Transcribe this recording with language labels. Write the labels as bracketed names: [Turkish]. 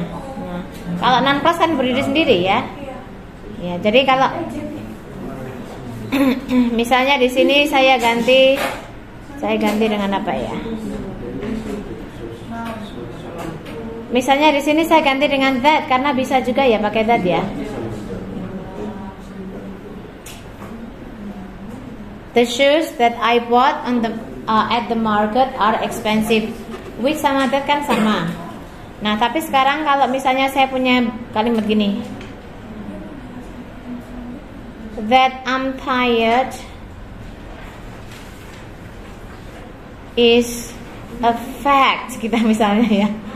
[Indonesian] Nah, kalau non plus kan berdiri sendiri ya. Ya, jadi kalau misalnya di sini saya ganti dengan apa ya? Misalnya di sini saya ganti dengan that karena bisa juga ya pakai that ya. [English] The shoes that I bought on the at the market are expensive. [Indonesian] With sama that kan sama. Nah, tapi sekarang kalau misalnya saya punya kalimat gini. [English] That I'm tired is a fact. [Indonesian] Kita misalnya ya.